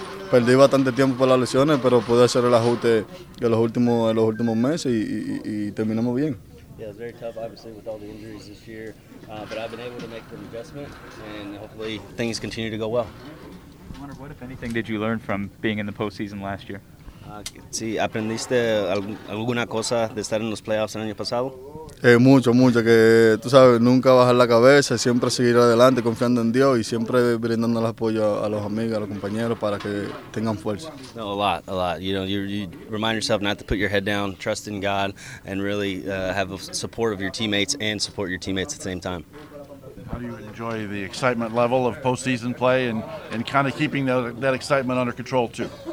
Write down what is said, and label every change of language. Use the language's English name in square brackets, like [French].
[Spanish] Perdí bastante tiempo por las lesiones, pero pude hacer el ajuste en los últimos meses y terminamos bien. [English] Yeah, it's very tough, obviously, with all the injuries this year, but I've been able to make the adjustment, and hopefully things continue to go well. I wonder what, if anything, did you learn from being in the postseason last year? [Spanish] Sí, ¿aprendiste alguna cosa de estar en los playoffs el año pasado? Mucho, que tú sabes, nunca bajar la cabeza, siempre seguir adelante, confiando en Dios y siempre brindando el apoyo a los amigos, a los compañeros para que tengan fuerza. [English] No, a lot. You know, you remind yourself not to put your head down, trust in God, and really have the support of your teammates and support your teammates at the same time. How do you enjoy the excitement level of postseason play and kind of keeping that excitement under control too?